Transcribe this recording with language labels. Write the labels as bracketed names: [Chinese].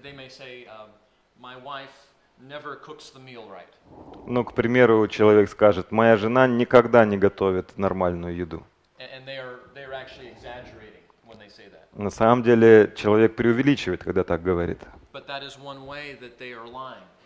[English] They may say, my wife never cooks the meal right. [Russian] Ну, к примеру, человек скажет, моя жена никогда не готовит нормальную еду. [English] And they are actually exaggerating when they say that. [Russian] На самом деле, человек преувеличивает, когда так говорит. [English] But that is one way that they are lying.